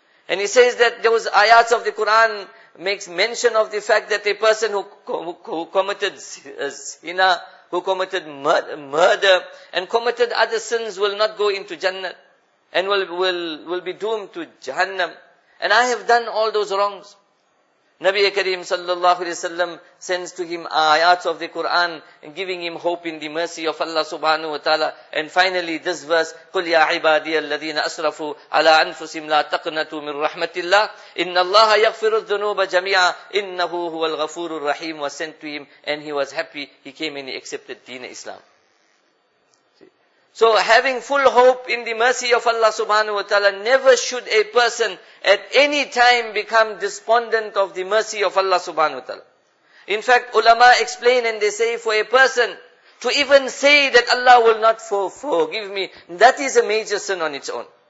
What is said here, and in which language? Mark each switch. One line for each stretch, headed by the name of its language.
English: And he says that those ayats of the Quran makes mention of the fact that a person who committed zina, who committed murder, and committed other sins will not go into Jannah, and will be doomed to Jahannam. And I have done all those wrongs. Nabi Kareem sallallahu alayhi wa sallam sends to him ayats of the Quran, giving him hope in the mercy of Allah subhanahu wa ta'ala. And finally this verse,
Arabic: قُلْ يَا عِبَادِيَ الَّذِينَ أَسْرَفُوا عَلَىٰ أَنفُسِهِمْ لَا تَقْنَتُوا مِنْ رَحْمَةِ اللَّهِ إِنَّ اللَّهَ يَغْفِرُ الذُّنُوبَ جَمِيعًا إِنَّهُ هُوَ الْغَفُورُ الرَّحِيمُ.
English: Was sent to him and he was happy. He came and he accepted Deen Islam. So having full hope in the mercy of Allah subhanahu wa ta'ala, never should a person at any time become despondent of the mercy of Allah subhanahu wa ta'ala. In fact, ulama explain and they say for a person to even say that Allah will not forgive me, that is a major sin on its own.